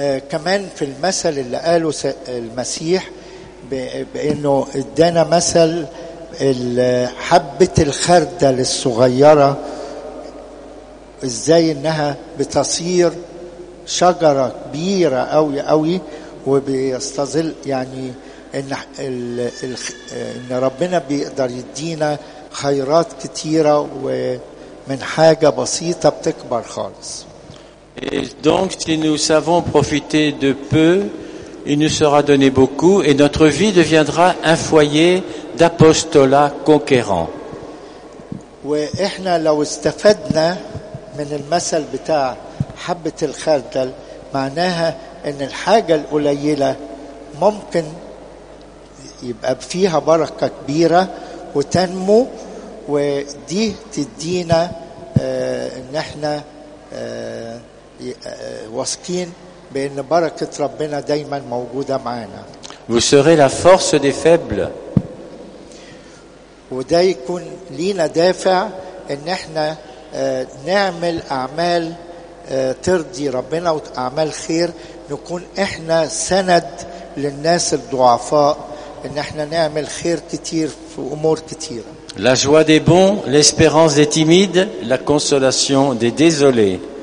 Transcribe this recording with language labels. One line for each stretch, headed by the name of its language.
Arabic: كمان في المثل اللي قاله المسيح بانه ادانا مثل حبه الخردل الصغيره ازاي انها بتصير شجره كبيره قوي قوي وبيستظل يعني ان ربنا بيقدر يدينا خيرات كتيره ومن حاجه بسيطه بتكبر خالص.
French: Et donc, si nous savons profiter de peu, il nous sera donné beaucoup et notre vie deviendra un foyer d'apostolat conquérant.
Arabic: واحنا لو استفدنا من المثل بتاع حبة الخردل معناها ان الحاجة القليلة ممكن يبقى فيها بركة كبيرة وتنمو ودي تدينا ان احنا واثقين بأن بركة ربنا دايما موجودة معنا.
French: Vous serez la force des faibles.
Arabic: وده يكون لينا دافع ان احنا نعمل اعمال ترضي ربنا واعمال خير نكون احنا سند للناس الضعفاء ان احنا نعمل خير كتير في امور كتيرة.
French: La joie des bons, l'espérance des timides, la consolation des désolés.